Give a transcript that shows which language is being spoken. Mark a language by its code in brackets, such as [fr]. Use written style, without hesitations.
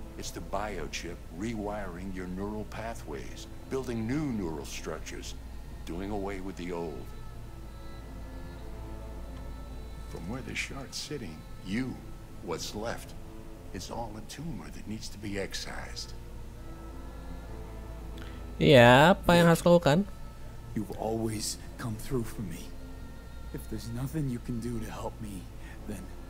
[en] It's the biochip rewiring your neural pathways, building new neural structures, doing away with the old. From where the shard's sitting, you, what's left, is all a tumor that needs to be excised. [id] Iya, apa yang harus lakukan? [en] You've always come through for me. If there's nothing you can do to help me, then...